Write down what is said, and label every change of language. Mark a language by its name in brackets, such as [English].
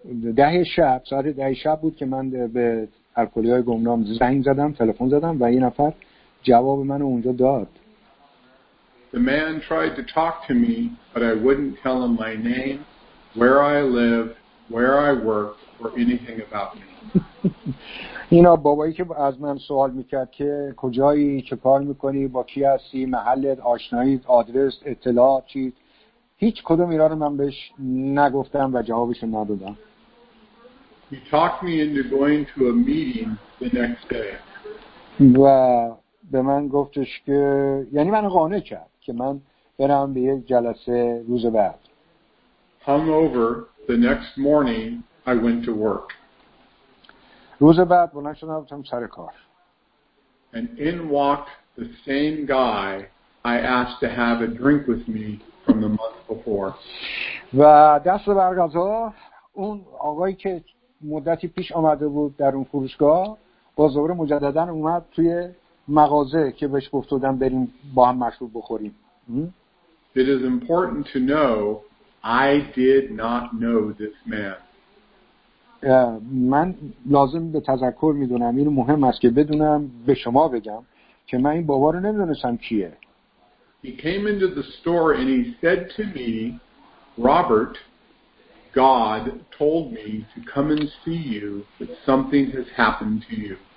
[Persian] ساعت ده شب بود که من به الکلی‌های گمنام زنگ زدم، تلفن زدم و یه نفر جواب منو اونجا داد. [English] The man tried to talk to me, but I wouldn't tell him my name, where I live, where I work, or anything about me. [Persian] اینا بابایی که از من سوال میکرد که کجایی، چه کار میکنی، با کی هستی، محلت، آشناییت، آدرس، اطلاعات چی، هیچ کدوم اینا رو من بهش نگفتم و جوابش رو ندادم. [English] He talked me into going to a meeting the next day. [Persian] و به من گفتش که، یعنی من قانع کرد که من برم به یک جلسه روز بعد. [English] hungover the next morning, I went to work. It was about when I showed up from Sarikov. And in walked the same guy I asked to have a drink with me from the month before. [Persian] و دست برگزا اون آقایی که مدتی پیش آمده بود در اون فروشگاه با زور مجددن اومد توی مغازه که بهش گفت بودم بریم با هم مشروب بخوریم. [English] It is important to know I did not know this man. [Persian] من لازم به تذکر میدونم این مهم است که بدونم به شما بگم که من این بابا رو نمیدونستم کیه. [English] He came into the store and he said to me, Robert, God told me to come and see you that something has happened to you.